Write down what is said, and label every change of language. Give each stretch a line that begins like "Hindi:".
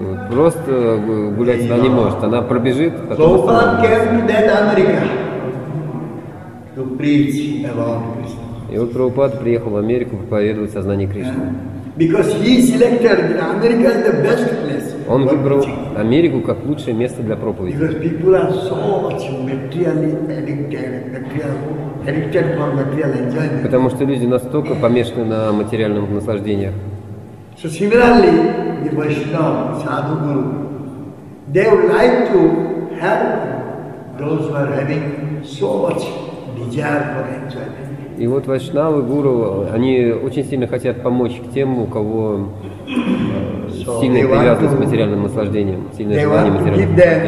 Russian: Просто гулять она не может. Она пробежит.
English: So far came to that America to preach about Krishna.
Russian: И вот Прабхупада приехал в Америку проповедовать сознание Кришны.
English: Because he selected America as the best place.
Russian: Он выбрал Америку как лучшее место для проповеди.
English: Because people are so much materially addicted for material enjoyment.
Russian: Потому что люди настолько помешаны на материальном наслаждении.
English: So similarly, the Vaishnav, Sadhu Guru, they would like to help those who are having so much desire for enjoyment.
Russian: И вот Вайшнавы, Гуру, они очень сильно хотят помочь тем, у кого сильная привязанность к материальным наслаждениям, сильное желание материальным